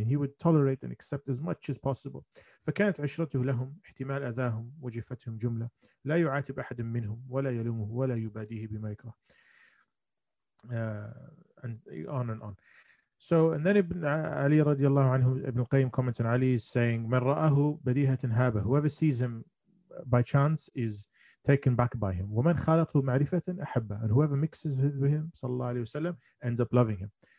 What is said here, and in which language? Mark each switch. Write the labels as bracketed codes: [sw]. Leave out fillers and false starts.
[en] And he would tolerate and accept as much as possible. [ar] فكانت عشرته لهم احتمال أذاهم وجفتهم جملة. لا يعاتب أحد منهم ولا يلومه ولا يباديه بما يكره. [en] And on and on. So, and then Ibn Ali radiallahu anhu, Ibn Qayyim comments on Ali is saying, [ar] مَنْ رَأَهُ بَدِيهَةٍ هَابَهُ. [en] Whoever sees him by chance is taken back by him. [ar] وَمَنْ خَالَطُهُ مَعْرِفَةٍ أَحَبَّهُ. [en] And whoever mixes with him, صلى الله عليه وسلم, ends up loving him.